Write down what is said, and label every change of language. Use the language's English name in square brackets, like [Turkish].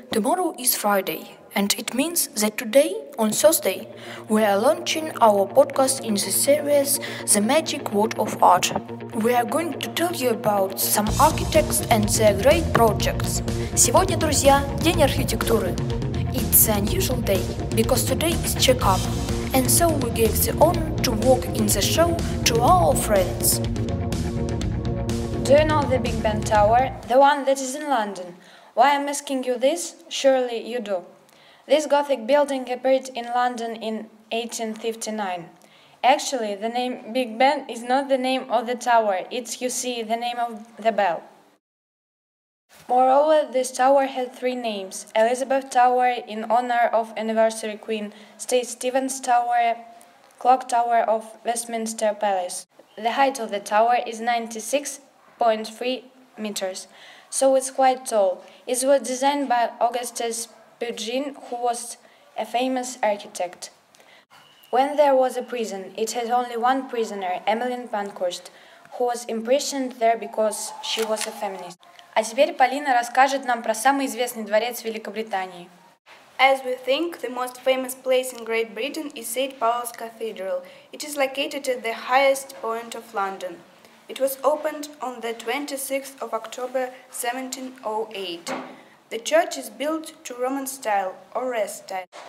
[English] Tomorrow is Friday, and it means that today, on Thursday, we are launching our podcast in the series The Magic Word of Art. We are going to tell you about some architects and their great projects. [Russian] Сегодня, друзья, день архитектуры. [English] It's an unusual day, because today is checkup, and so we gave the honor to walk in the show to our friends. Do you know the Big Ben Tower, the one that is in London? Why I'm asking you this? Surely you do. This Gothic building appeared in London in 1859. Actually, the name Big Ben is not the name of the tower, it's, you see, the name of the bell. Moreover, this tower had three names: Elizabeth Tower in honor of anniversary queen, St. Stephen's Tower, Clock Tower of Westminster Palace. The height of the tower is 96.3 meters, so it's quite tall. It was designed by Augustus Pugin, who was a famous architect. When there was a prison, it had only one prisoner, Emmeline Pankhurst, who was imprisoned there because she was a feminist. [Russian] А теперь Полина расскажет нам про самый известный дворец Великобритании. [English] As we think, the most famous place in Great Britain is St. Paul's Cathedral. It is located at the highest point of London. It was opened on the 26th of October 1708. The church is built to Roman style or red style.